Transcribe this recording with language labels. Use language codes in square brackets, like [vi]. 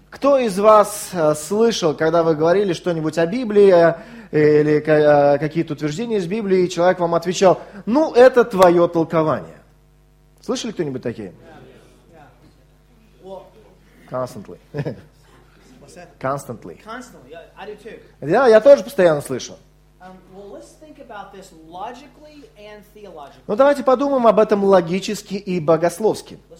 [ru] Кто из вас слышал, когда вы говорили что-нибудь о Библии или какие-то утверждения из Библии, и человек вам отвечал: ну, это твое толкование. Слышали кто-нибудь такие? [en] Constantly. Constantly. Constantly. Yeah, I do too. [ru] Да, я тоже постоянно слышу. [en] Well, let's think about this logically and theologically. [ru] Ну, давайте подумаем об этом логически и богословски.